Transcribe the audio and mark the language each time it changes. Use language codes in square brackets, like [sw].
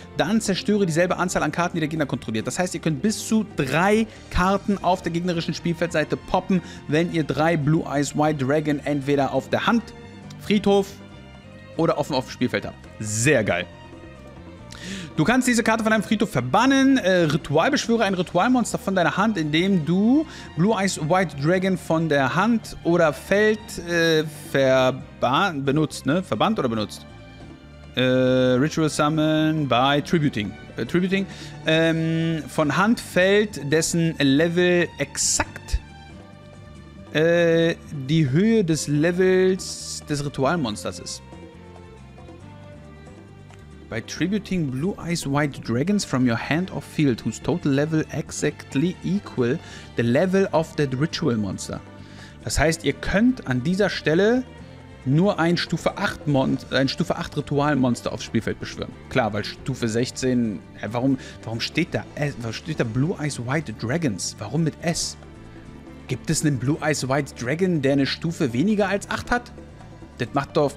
[de] Dann zerstöre dieselbe Anzahl an Karten, die der Gegner kontrolliert. Das heißt, ihr könnt bis zu 3 Karten auf der gegnerischen Spielfeldseite poppen, wenn ihr 3 Blue Eyes White Dragon entweder auf der Hand, Friedhof oder offen auf dem Spielfeld habt. Sehr geil. Du kannst diese Karte von deinem Friedhof verbannen. Ritualbeschwöre ein Ritualmonster von deiner Hand, indem du Blue Eyes White Dragon von der Hand oder Feld benutzt, ne? Verbannt oder benutzt? [en] Ritual Summon by Tributing. [de] Tributing. Von Hand, Feld, dessen Level exakt die Höhe des Levels des Ritualmonsters ist. [en] By tributing Blue Eyes White Dragons from your hand or field, whose total level exactly equal the level of that Ritual Monster. [de] Das heißt, ihr könnt an dieser Stelle nur ein Stufe 8 Ritual Monster aufs Spielfeld beschwören. Klar, weil Stufe 16. Warum steht da Blue Eyes White Dragons? Warum mit S? Gibt es einen Blue Eyes White Dragon, der eine Stufe weniger als 8 hat? Das macht doch.